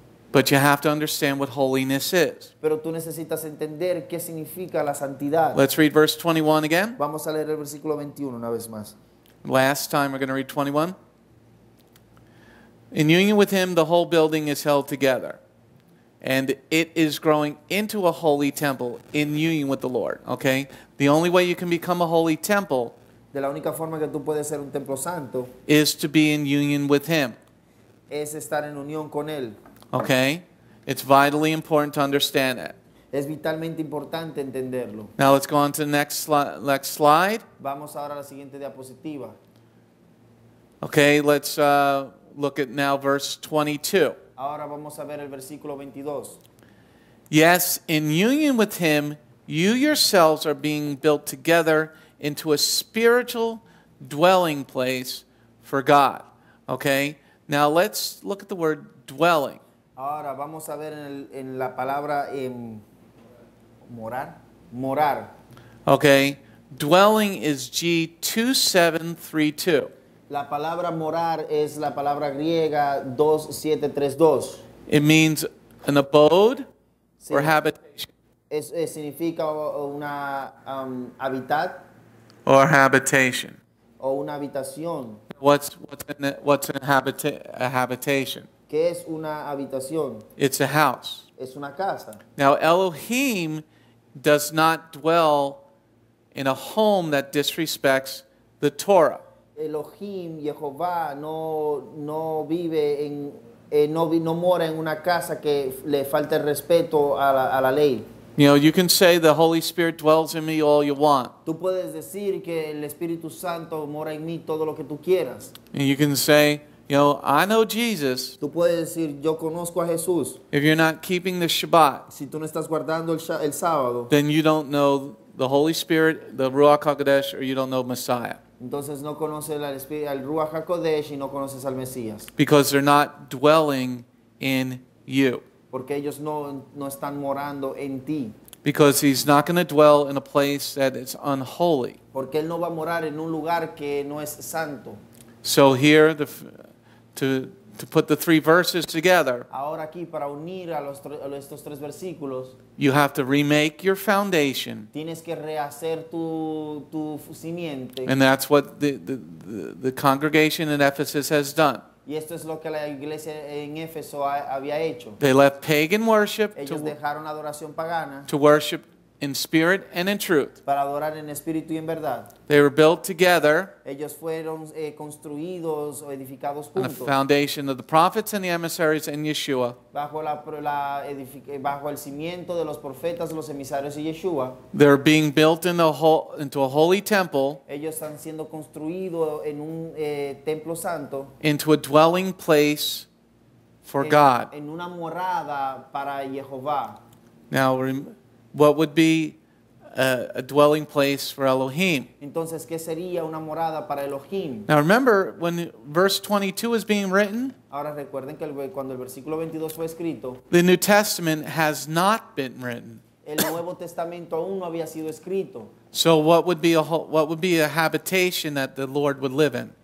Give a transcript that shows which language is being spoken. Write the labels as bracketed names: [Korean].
[English] But you have to understand what holiness is. [Spanish] Pero tú necesitas entender qué significa la santidad. [English] Let's read verse 21 again. [Spanish] Vamos a leer el versículo 21 una vez más. [English] Last time we're going to read 21. In union with him, the whole building is held together. And it is growing into a holy temple in union with the Lord. Okay? The only way you can become a holy temple [Spanish] de la única forma que tú puedes ser un templo santo [English] is to be in union with him. [Spanish] Es estar en unión con él. [English] Okay? It's vitally important to understand it. [Spanish] Es vitalmente importante entenderlo. [English] Now let's go on to the next slide. [Spanish] Vamos ahora a la siguiente diapositiva. [English] Okay, let's look at now verse 22. [Spanish] Ahora vamos a ver el versículo 22. [English] Yes, in union with him, you yourselves are being built together into a spiritual dwelling place for God. Okay? Now let's look at the word dwelling. [Spanish] Ahora vamos a ver en la palabra morar. Morar. [English] Okay. Dwelling is G2732. [Spanish] La palabra morar es la palabra griega 2732. [English] It means an abode or habitation. [Spanish] Es significa una habitat. [English] Or habitation. [Spanish] O una habitación. [English] What's a habitation? [Spanish] ¿Qué es una habitación? [English] It's a house. [Spanish] Es una casa. [English] Now Elohim does not dwell in a home that disrespects the Torah. [Spanish] Elohim, Yehovah, no vive en no mora en una casa que le falte respeto a la ley. [English] You know, you can say the Holy Spirit dwells in me all you want. [Spanish] Tú puedes decir que el Espíritu Santo mora en mí todo lo que tú quieras. [English] And you can say, you know, I know Jesus. [Spanish] Tú puedes decir, yo conozco a Jesús. [English] If you're not keeping the Shabbat, [Spanish] si tú no estás guardando el sábado, [English] then you don't know the Holy Spirit, the Ruach HaKodesh, or you don't know Messiah. [Spanish] Entonces no conoces al Ruach HaKodesh y no conoces al Mesías. [English] Because they're not dwelling in you. [Spanish] Porque ellos no están morando en ti. [English] Because he's not going to dwell in a place that is unholy. [Spanish] Porque él no va a morar en un lugar que no es santo. [English] So here, to put the three verses together. [Spanish] Ahora aquí para unir a estos tres versículos. [English] You have to remake your foundation. [Spanish] Tienes que rehacer tu cimiento. [English] And that's what the congregation in Ephesus has done. [Spanish] Y esto es lo que la iglesia en Éfeso había hecho. [English] They left pagan worship. [Spanish] Ellos dejaron adoración pagana. [English] To worship in spirit and in truth. [Spanish] Para adorar en espíritu y en verdad. [English] They were built together. [Spanish] Ellos fueron construidos o edificados juntos. [English] On the foundation of the prophets and the emissaries and Yeshua. [Spanish] Bajo el cimiento de los profetas, los emisarios y Yeshua. [English] They're being built into a holy temple. [Spanish] Ellos están siendo construidos en un templo santo. [English] Into a dwelling place for God. [Spanish] En una morada para Yehovah. [English] Now what would be a dwelling place for Elohim? [Spanish] Entonces, ¿qué sería una morada para Elohim? [English] Now remember, when verse 22 is being written, [Spanish] ahora recuerden que cuando el versículo 22 fue escrito, [English] the New Testament has not been written. [Spanish] El Nuevo Testamento aún no había sido escrito. [English] So what would be a habitation that the Lord would live in?